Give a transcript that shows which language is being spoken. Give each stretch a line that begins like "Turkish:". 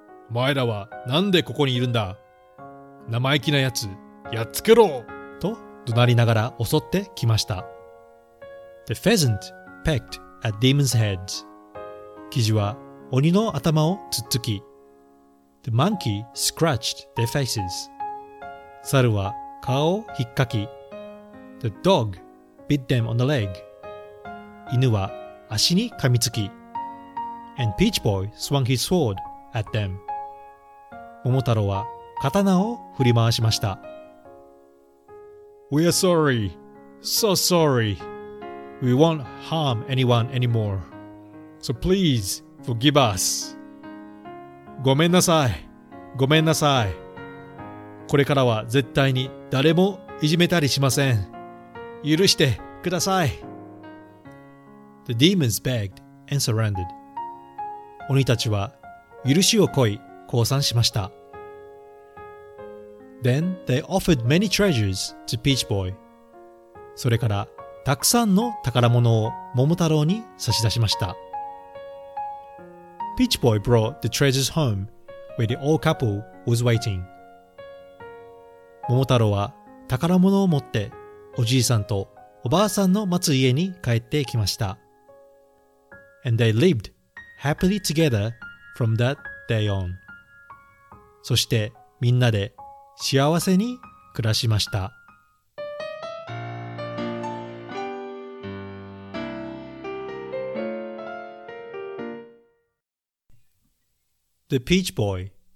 Japanese: お前らはなんでここにいるんだ、生意気なやつ、やっつけろと怒鳴りながら襲ってきました。
English: The pheasant pecked at demon's heads.
Japanese: キジは鬼の頭を突っつき、
English: The monkey scratched their faces.
Japanese: 猿は顔を引っかき、
English: The dog bit them on the leg.
Japanese: 犬は足に噛みつき、
English: And Peach Boy swung his sword at them.
Japanese: 桃太郎は刀を振り回しました。
English: We are sorry, so sorry. We won't harm anyone anymore. So please forgive us.
Japanese: ごめんなさい、ごめんなさい。これからは絶対に誰もいじめたりしません。許してください。
English: The demons begged and surrendered.
Japanese: 鬼たちは許しを乞い降参しました。
English: Then they offered many treasures to Peach Boy.
Japanese: それからたくさんの宝物を桃太郎に差し出しました。
English: Peach Boy brought the treasures home where the old couple was waiting.
Japanese: 桃太郎は宝物を持っておじいさんとおばあさんの待つ家に帰ってきました。
English: And they lived happily together from that day on.
Japanese: そしてみんなで幸せに暮らしました。
English: The Peach Boy